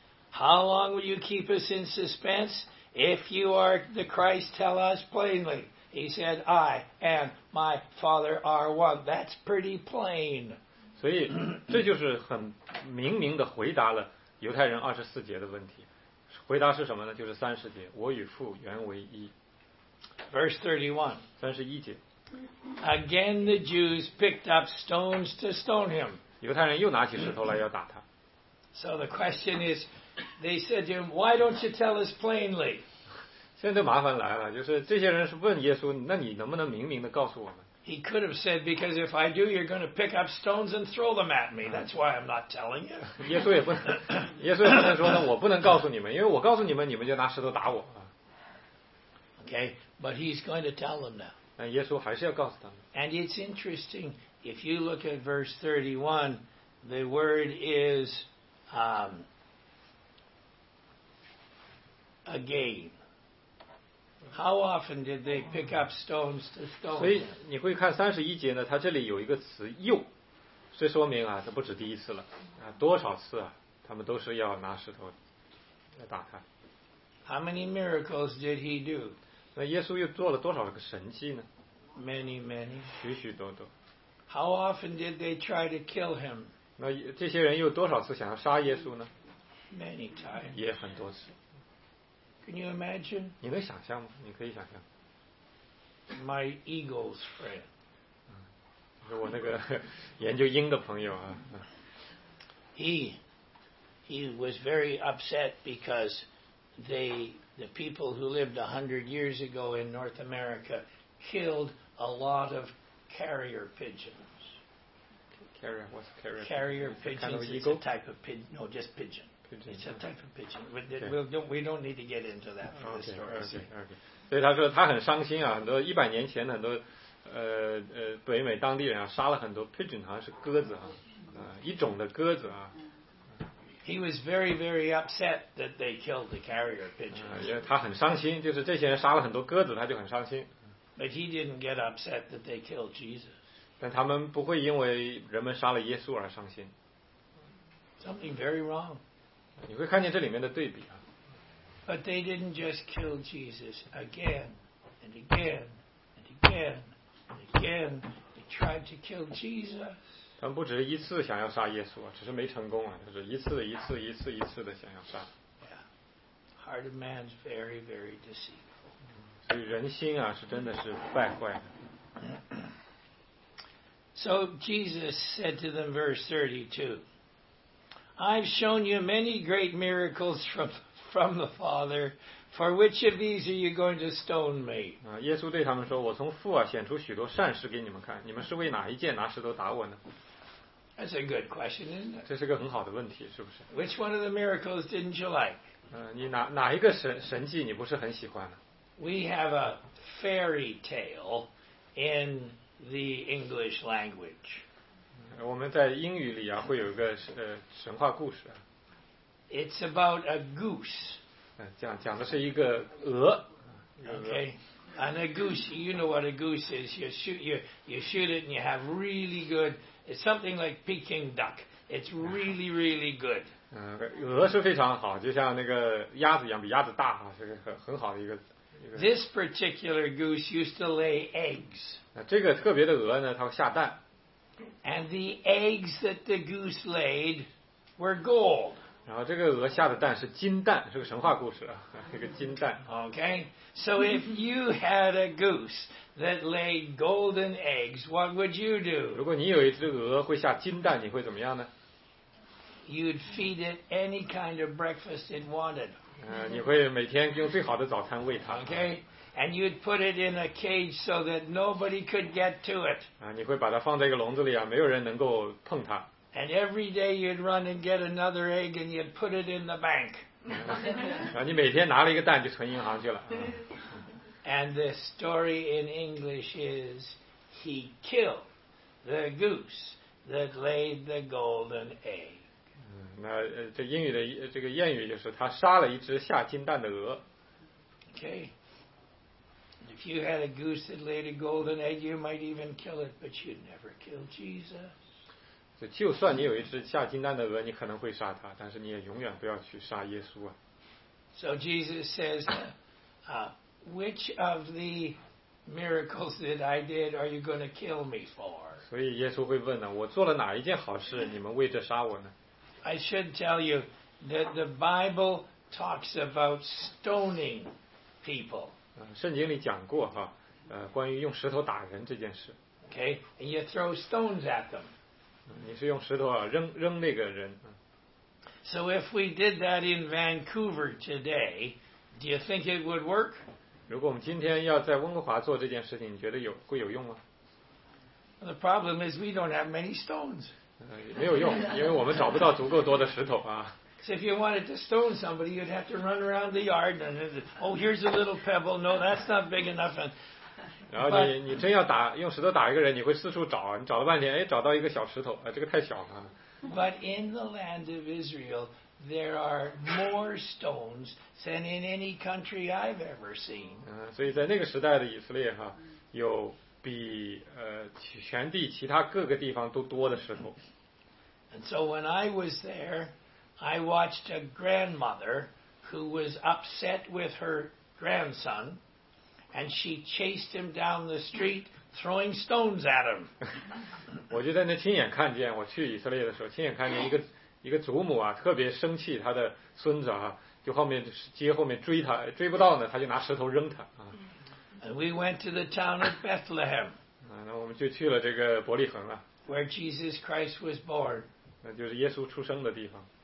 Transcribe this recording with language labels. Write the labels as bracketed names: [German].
[English] How long will you keep us in suspense? If you are the Christ, tell us plainly. He said, I and my Father are one. That's pretty plain. [Chinese] 所以这就是很明明的回答了犹太人二十四节的问题。回答是什么呢？就是三十节，我与父原为一。 [English] Verse 31. [Chinese] 三十一节。 [English] Again, the Jews picked up stones to stone him. [Chinese] 犹太人又拿起石头来要打他。 [English] So the question is, they said to him, "Why don't you tell us plainly?" [Chinese] 现在麻烦来了，就是这些人是问耶稣，那你能不能明明的告诉我们 [English] ？He could have said, "Because if I do, you're going to pick up stones and throw them at me. That's why I'm not telling you." [Chinese] 耶稣也不能说呢，我不能告诉你们，因为我告诉你们，你们就拿石头打我啊。 [English] Okay, but he's going to tell them now. [Chinese] 但耶稣还是要告诉他们。 [English] And it's interesting, if you look at verse 31, the word is again. How often did they pick up stones to stone? [Chinese] 所以你会看三十一节呢，它这里有一个词又，所以说明啊，这不止第一次了啊，多少次啊，他们都是要拿石头来打他。 [English] How many miracles did he do? [Chinese] 那耶稣又做了多少个神迹呢？ [English] Many, many. [Chinese] 许许多多。 [English] How often did they try to kill him? [Chinese] 那这些人又多少次想要杀耶稣呢？ [English] Many times. [Chinese] 也很多次。 [English] Can you imagine? [Chinese] 你能想象吗？你可以想象。 [English] My eagle's friend. [Chinese] 是我那个研究鹰的朋友啊。 [English] He was very upset because the people who lived 100 years ago in North America. Killed a lot of carrier pigeons. Carrier pigeons. He was very, very upset that they killed the carrier pigeons. [Chinese] 他很伤心，就是这些人杀了很多鸽子，他就很伤心。 [English] But he didn't get upset that they killed Jesus. [Chinese] 但他们不会因为人们杀了耶稣而伤心。 [English] Something very wrong. [Chinese] 你会看见这里面的对比啊。 [English] But they didn't just kill Jesus again and again and again and again. They tried to kill Jesus. [Chinese] 他们不只是一次想要杀耶稣啊，只是没成功啊，就是一次一次一次一次的想要杀。 [English] Yeah. Heart of man's very, very deceived. [Chinese] 所以人心啊，是真的是败坏的。 [English] So Jesus said to them, verse 32, I've shown you many great miracles from the Father. For which of these are you going to stone me? [Chinese] 耶稣对他们说，我从父啊显出许多善事给你们看，你们是为哪一件拿石头打我呢？ [English] That's a good question, isn't it? [Chinese] 这是个很好的问题，是不是？ [English] Which one of the miracles didn't you like? [Chinese] 你哪一个神迹你不是很喜欢呢？ [English] We have a fairy tale in the English language. [Chinese] 我们在英语里啊会有一个神话故事。 [English] It's about a goose. [Chinese] 讲的是一个鹅。 [English] Okay, and a goose. You know what a goose is? You shoot it, and you have really good. It's something like Peking duck. It's really, really good. [Chinese] 鹅是非常好，就像那个鸭子一样，比鸭子大啊，是个很好的一个。 [English] This particular goose used to lay eggs. [Chinese] 这个特别的鹅呢，它会下蛋。 [English] And the eggs that the goose laid were gold. [Chinese] 然后这个鹅下的蛋是金蛋，是个神话故事啊，一个金蛋。 [English] Okay, so if you had a goose that laid golden eggs, what would you do? [Chinese] 如果你有一只鹅会下金蛋，你会怎么样呢？ [English] You'd feed it any kind of breakfast it wanted. [Chinese] 你会每天用最好的早餐喂它。 [English] Okay, and you'd put it in a cage so that nobody could get to it. [Chinese] 你会把它放在一个笼子里啊，没有人能够碰它。 [English] And every day you'd run and get another egg and you'd put it in the bank. [Chinese] 你每天拿了一个蛋就存银行去了。 [English] And the story in English is, he killed the goose that laid the golden egg. [Chinese] 那这英语的这个谚语就是他杀了一只下金蛋的鹅。 [English] Okay. If you had a goose that laid a golden egg, you might even kill it, but you'd never kill Jesus. [Chinese] 就算你有一只下金蛋的鹅，你可能会杀它，但是你也永远不要去杀耶稣啊。 [English] So Jesus says, which of the miracles that I did are you going to kill me for? [Chinese] 所以耶稣会问呢，我做了哪一件好事，你们为这杀我呢？ [English] I should tell you that the Bible talks about stoning people. [Chinese] 圣经里讲过哈，关于用石头打人这件事。 [English] Okay, and you throw stones at them. [Chinese] 你是用石头啊扔那个人。 [English] So if we did that in Vancouver today, do you think it would work? [Chinese] 如果我们今天要在温哥华做这件事情，你觉得会有用吗？ [English] The problem is we don't have many stones. [Chinese] 没有用，因为我们找不到足够多的石头啊。 [English] So if you wanted to stone somebody, you'd have to run around the yard and oh, here's a little pebble. No, that's not big enough. And, [Chinese] 然后你真要打用石头打一个人，你会四处找，你找了半天，哎，找到一个小石头，这个太小了。 [English] But in the land of Israel, there are more stones than in any country I've ever seen. [Chinese] 所以在那个时代的以色列哈，有比全地其他各个地方都多的石头。 [English] And so when I was there, I watched a grandmother who was upset with her grandson. And she chased him down the street, throwing stones at him. [Chinese] 我就在那亲眼看见，我去以色列的时候，亲眼看见一个祖母啊，特别生气，她的孙子啊，就后面街后面追他，追不到呢，他就拿石头扔他啊。 [English] And we went to the town of Bethlehem. [Chinese] 那我们就去了这个伯利恒了。 [English] Where Jesus Christ was born. [Chinese] 那就是耶稣出生的地方。